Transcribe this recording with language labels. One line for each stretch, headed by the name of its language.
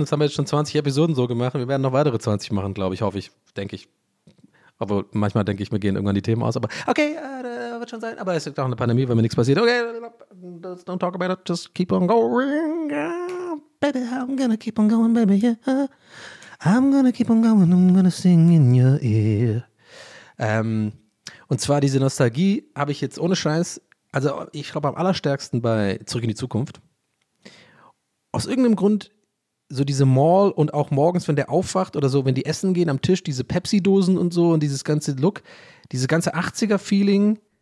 German: Jetzt haben wir jetzt schon 20 Episoden so gemacht und wir werden noch weitere 20 machen, glaube ich, hoffe ich, denke ich. Aber manchmal denke ich, mir gehen irgendwann die Themen aus. Aber okay, da wird schon sein. Aber es ist auch eine Pandemie, weil mir nichts passiert.
English: Okay, let's don't talk about it. Just keep on going. Baby, I'm gonna keep on going, baby. Yeah. I'm gonna keep on going. I'm gonna sing in your ear.
German: Und zwar diese Nostalgie habe ich jetzt ohne Scheiß, also ich glaube am allerstärksten bei Zurück in die Zukunft. Aus irgendeinem Grund, so diese Mall und auch morgens, wenn der aufwacht oder so, wenn die essen gehen am Tisch, diese Pepsi-Dosen und so und dieses ganze Look, dieses ganze 80er-Feeling,